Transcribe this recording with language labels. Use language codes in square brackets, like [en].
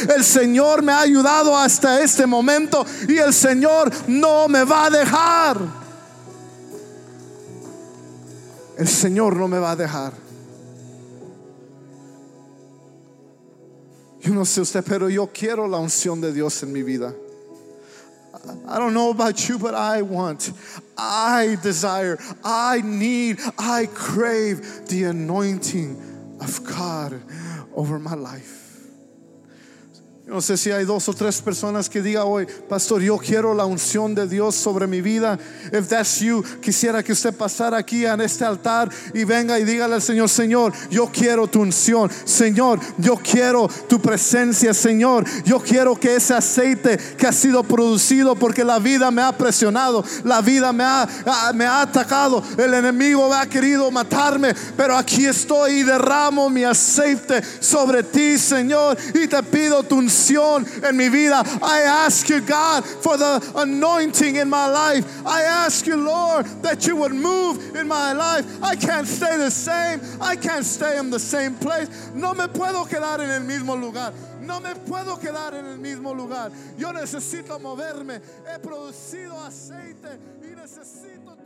[es] El Señor me ha ayudado a hasta este momento y el Señor no me va a dejar. El Señor no me va a dejar. Yo no sé usted, pero yo quiero la unción de Dios en mi vida. [en] I don't know about you, but I want, I desire, I need, I crave the anointing of God over my life. [es] No sé si hay dos o tres personas que diga hoy: pastor, yo quiero la unción de Dios sobre mi vida. [en] If that's you, [es] quisiera que usted pasara aquí en este altar y venga y dígale al Señor: Señor, yo quiero tu unción. Señor, yo quiero tu presencia. Señor, yo quiero que ese aceite que ha sido producido porque la vida me ha presionado, la vida me ha atacado, el enemigo ha querido matarme, pero aquí estoy y derramo mi aceite sobre ti, Señor, y te pido tu unción en mi vida. [en] I ask you, God, for the anointing in my life. I ask you, Lord, that you would move in my life. I can't stay the same. I can't stay in the same place. [es] No me puedo quedar en el mismo lugar. No me puedo quedar en el mismo lugar. Yo necesito moverme. He producido aceite y necesito